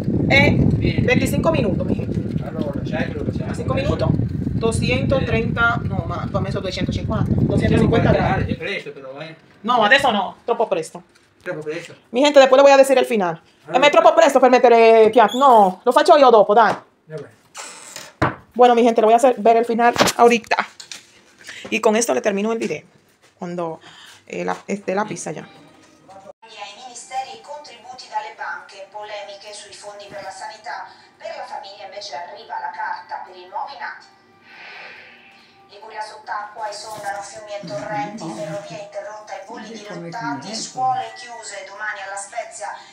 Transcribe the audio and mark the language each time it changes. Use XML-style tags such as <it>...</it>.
<it>E 25 minuti. Allora, 5 minuti. 230, no, ma tu hai messo 250. 250 gradi. È presto però, eh. No, adesso no, troppo presto. Troppo presto.</it> <es>Mi gente,</es> <it>poi lo voglio decidere al finale. Allora. Ma è troppo presto per mettere piatto. No, lo faccio io dopo, dai. Vabbè.</it> <es>Bueno, mi gente, lo voy a hacer ver el final ahorita. Y con esto le termino el video. Quando esté la pista ya.</es> <it>Ai ministeri e contributi dalle banche, polemiche sui fondi per la sanità. Per la famiglia invece arriva la carta per i nuovi nati. Liguria sott'acqua, esondano fiumi e torrenti, ferrovia interrotta e voli dirottati, scuole chiuse domani alla Spezia.</it>